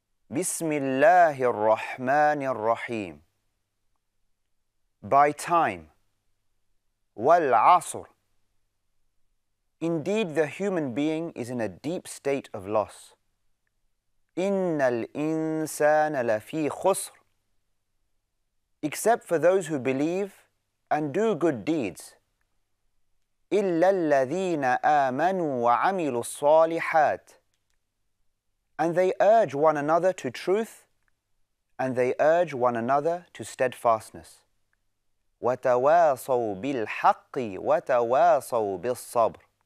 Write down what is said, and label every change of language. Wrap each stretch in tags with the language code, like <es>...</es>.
<ar>بسم الله الرحمن الرحيم.</ar> <en>By time.</en> <ar>والعصر.</ar> <en>Indeed, the human being is in a deep state of loss.</en> <ar>إن الإنسان لفي خسر.</ar> <en>Except for those who believe and do good deeds.</en> <ar>إلا الذين آمنوا وعملوا الصالحات.</ar> <en>And they urge one another to truth, and they urge one another to steadfastness.</en> <ar>وتواصوا بالحق وتواصوا بالصبر.</ar>